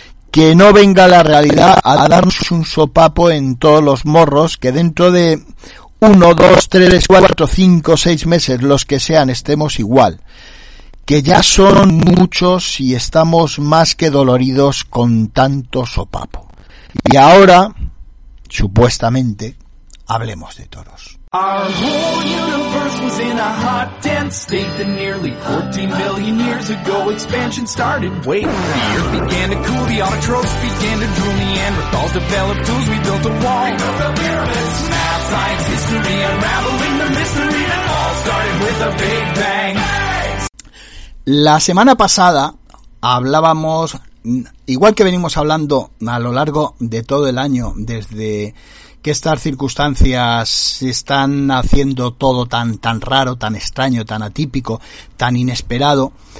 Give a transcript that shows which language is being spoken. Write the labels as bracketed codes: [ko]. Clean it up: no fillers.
[es] Que no venga la realidad a darnos un sopapo en todos los morros, que dentro de 1, 2, 3, 4, 5, 6 meses, los que sean, estemos igual. Que ya son muchos y estamos más que doloridos con tanto sopapo. Y ahora, supuestamente, hablemos de toros. [en] Our whole universe was in a hot, dense state that nearly 14 billion years ago expansion started. Wait, the earth began to cool, the autotrophs began to drool, Neanderthals developed tools, we built a wall. We built the pyramids, math, science, history, unraveling the mystery that all started with a big bang. [es] La semana pasada hablábamos, igual que venimos hablando a lo largo de todo el año, desde que estas circunstancias se están haciendo todo tan raro, tan extraño, tan atípico, tan inesperado,